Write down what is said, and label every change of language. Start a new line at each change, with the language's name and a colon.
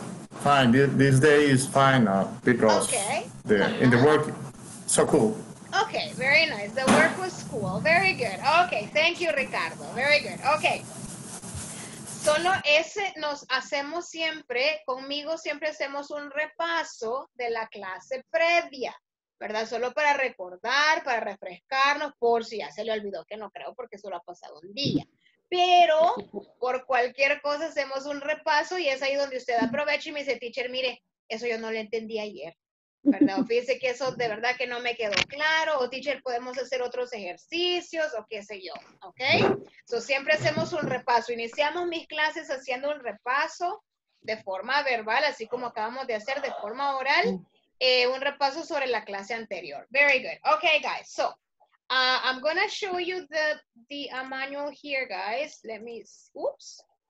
English: Fine, this day is fine now, because in the work, so cool. Okay, very nice, the work was cool, very good. Okay, thank you, Ricardo, very good, okay.
Spanish: Solo ese nos hacemos siempre, conmigo siempre hacemos un repaso de la clase previa, ¿verdad? Solo para recordar, para refrescarnos, por si ya se le olvidó, que no creo porque solo ha pasado un día. Pero por cualquier cosa hacemos un repaso y es ahí donde usted aprovecha y me dice, teacher, mire, eso yo no lo entendí ayer, ¿verdad? O fíjese que eso de verdad que no me quedó claro, o teacher, podemos hacer otros ejercicios, o qué sé yo, ¿ok? So, siempre hacemos un repaso. Iniciamos mis clases haciendo un repaso de forma verbal, así como acabamos de hacer de forma oral, un repaso sobre la clase anterior.
English: Very good. Okay, guys, so, I'm gonna show you the manual here, guys. Let me, oops.